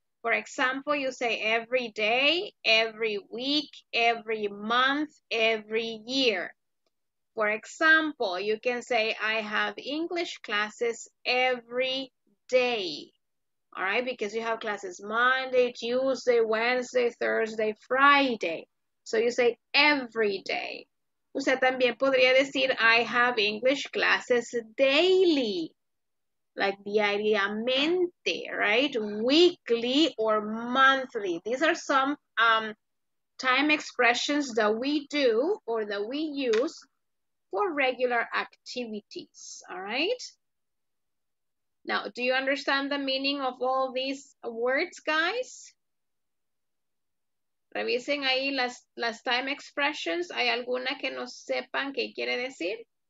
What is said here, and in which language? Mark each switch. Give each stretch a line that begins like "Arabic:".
English: For example, you say every day, every week, every month, every year. For example, you can say, I have English classes every day. All right, because you have classes Monday, Tuesday, Wednesday, Thursday, Friday. So you say every day.
Spanish: Usted también podría decir,
English: I have English classes daily. Like diariamente, right? Weekly or monthly. These are some time expressions that we do or that we use for regular activities, all right? Now, do you understand the meaning of all these words, guys?
Spanish: Revisen ahí las
English: time expressions.
Spanish: ¿Hay alguna que no sepan qué quiere decir?